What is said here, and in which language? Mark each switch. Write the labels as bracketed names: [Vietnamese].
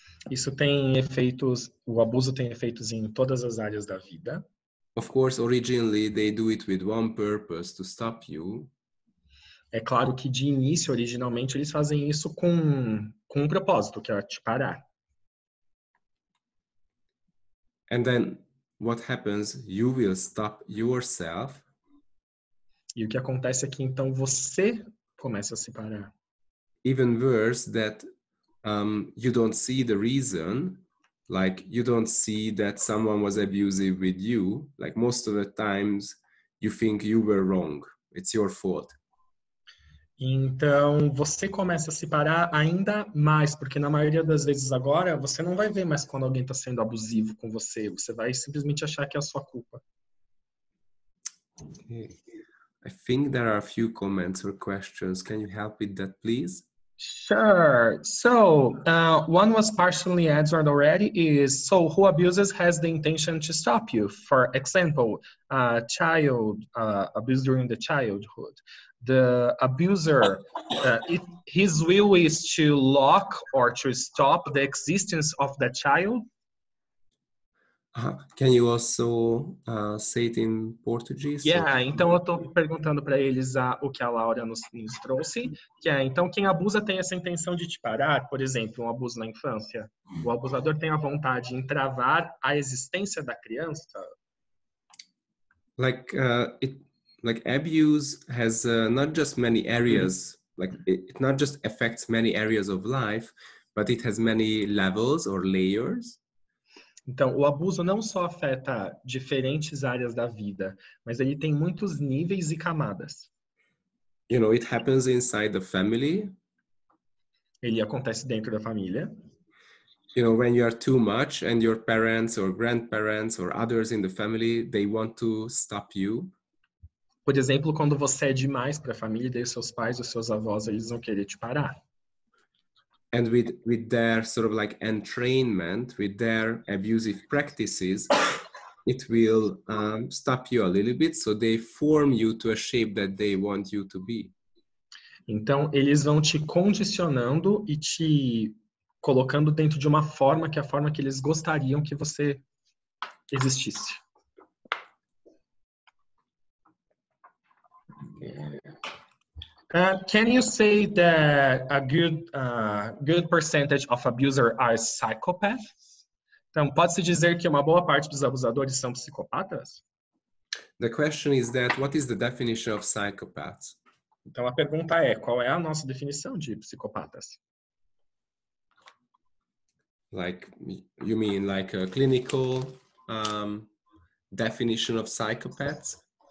[Portuguese] Isso tem efeitos, o abuso tem efeitos em todas as áreas da vida. [English] Of course, originally, they do it with one purpose, to stop you. [Portuguese] É claro que de início, originalmente, eles fazem isso com um propósito, que é te parar. [English] And then, what happens, you will stop yourself. [Portuguese] E o que acontece é que então você começa a se parar. [English] Even worse, that you don't see the reason, like you don't see that someone was abusive with you, like most of the times you think you were wrong, it's your fault. [Portuguese] Então você começa a se parar ainda mais, porque na maioria das vezes agora você não vai ver mais quando alguém está sendo abusivo com você, você vai simplesmente achar que é a sua culpa. [English] Okay. I think there are a few comments or questions. Can you help with that, please? Sure. So, one was partially answered already. So, who abuses has the intention to stop you? For example, a child abused during the childhood. The abuser, his will is to lock or to stop the existence of the child. Can you also say it in Portuguese? [Portuguese] Yeah, então eu estou perguntando para eles o que a Laura nos trouxe, que é, então, quem abusa tem essa intenção de te parar, por exemplo, um abuso na infância. O abusador tem a vontade em travar a existência da criança? [English] Like abuse has not just many areas, like it not just affects many areas of life, but it has many levels or layers. [Portuguese] Então, o abuso não só afeta diferentes áreas da vida, mas ele tem muitos níveis e camadas. [English] You know, it happens inside the family. [Portuguese] Ele acontece dentro da família. [English] You know, when you are too much and your parents or grandparents or others in the family, they want to stop you. [Portuguese] Por exemplo, quando você é demais para a família, daí seus pais, os seus avós, eles vão querer te parar. [English] And with their sort of like entrainment, with their abusive practices, it will stop you a little bit, so they form you to a shape that they want you to be. [Portuguese] Então, eles vão te condicionando e te colocando dentro de uma forma, que é a forma que eles gostariam que você existisse. [English] Can you say that a good percentage of abusers are psychopaths? [Portuguese] Então, pode-se dizer que uma boa parte dos abusadores são psicopatas? [English] The question is that, what is the definition of psychopaths? [Portuguese] Então, a pergunta é, qual é a nossa definição de psicopatas? [English] Like, you mean like a clinical definition of psychopaths?